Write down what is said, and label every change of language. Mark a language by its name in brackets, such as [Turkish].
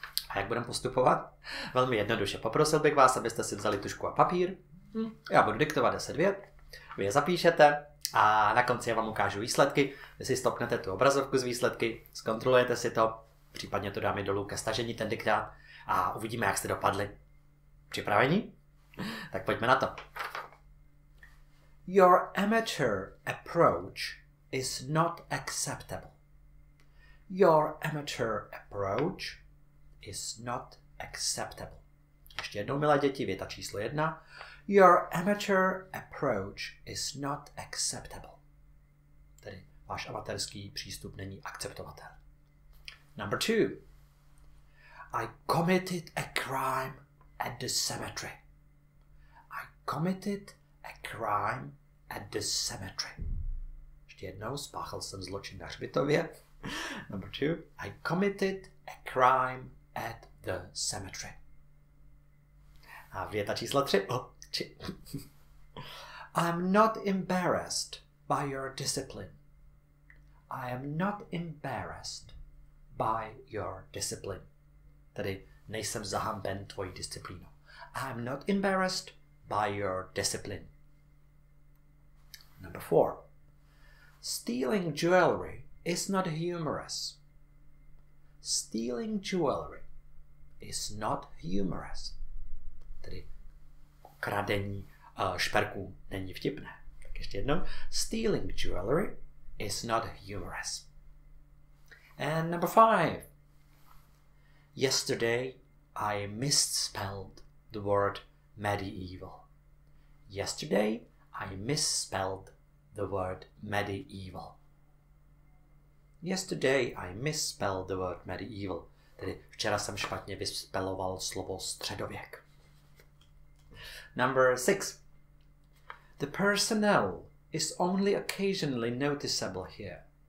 [Czech] A jak budeme postupovat? Velmi jednoduše. Poprosil bych vás, abyste si vzali tušku a papír. Já budu diktovat 10 vět. Vy je zapíšete a na konci já vám ukážu výsledky. Vy si stopnete tu obrazovku z výsledky, zkontrolujete si to, případně to dám i dolů ke stažení ten diktát a uvidíme, jak jste dopadli. Připravení? Tak pojďme na to. [English] Your amateur approach is not acceptable. Your amateur approach is not acceptable. [Czech] Ještě jednou, milé děti, věta číslo 1. [English] Your amateur approach is not acceptable. [Czech] Tedy váš amatérský přístup není akceptovatelný. [English] Number 2. I committed a crime at the cemetery. I committed a crime at the cemetery. [Czech] Ještě jednou, spáchal jsem zločin na hřbitově. [English] Number 2. I committed a crime at the cemetery. [Czech] A věta číslo 3. [English] I'm not embarrassed by your discipline. I am not embarrassed by your discipline. [Czech] Tedy nejsem zahamben tvojí disciplínou. [English] I'm not embarrassed by your discipline. Number 4. Stealing jewelry is not humorous. Stealing jewelry is not humorous. [Czech] Tedy kradení šperků není vtipné. Tak ještě jednou. [English] Stealing jewelry is not humorous. And number 5. Yesterday I misspelled the word medieval. Yesterday I misspelled the word medieval. Yesterday I misspelled the word medieval. [Czech] Tedy včera jsem špatně vyspeloval slovo středověk. [English] Number 6. The personnel is only occasionally noticeable here.